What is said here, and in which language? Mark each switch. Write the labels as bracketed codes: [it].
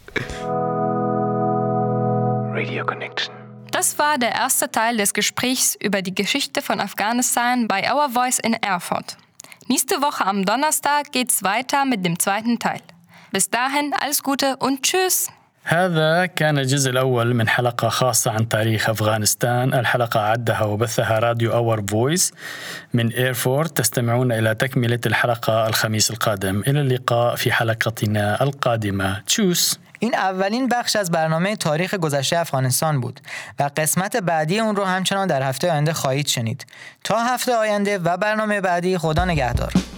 [de] Radio Connection. Das war der erste Teil des Gesprächs über die Geschichte von Afghanistan bei Our Voice in Erfurt. Nächste Woche am Donnerstag geht's weiter mit dem zweiten Teil. بس dahin alles Gute und tschüss. [ar] هذا كان الجزء الأول من حلقة خاصة عن تاريخ أفغانستان. الحلقة عدها وبثها راديو أور فويس من إيرفورت. تستمعون إلى تكملة الحلقة الخميس القادم. إلى اللقاء في حلقتنا القادمة. تشوس. [fa] این اولین بخش از برنامه تاریخ گذشته افغانستان بود و قسمت بعدی اون رو همچنان در هفته آینده خواهید شنید. تا هفته آینده و برنامه بعدی، خدا نگهدار.